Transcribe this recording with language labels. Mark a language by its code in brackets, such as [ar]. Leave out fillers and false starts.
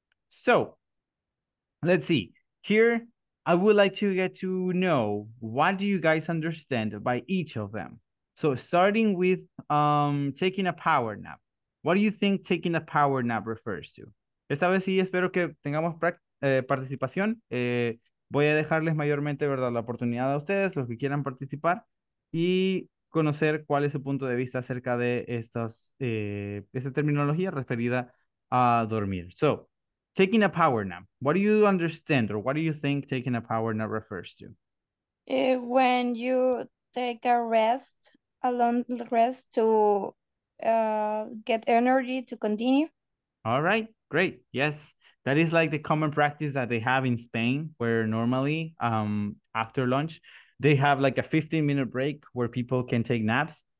[en] So, let's see. Here, I would like to get to know what do you guys understand by each of them. So, starting with taking a power nap. What do you think taking a power nap refers to? [es] Esta vez sí, espero que tengamos participación. Voy a dejarles mayormente, ¿verdad?, la oportunidad a ustedes, los que quieran participar, y conocer cuál es su punto de vista acerca de esta terminología referida a dormir. [en] So, taking a power nap. What do you understand or what do you think taking a power nap refers to? When you take a rest, a long rest to get energy to continue. All right. Great. Yes. That is like the common practice that they have in Spain, where normally after lunch, they have like a 15-minute break where people can take naps.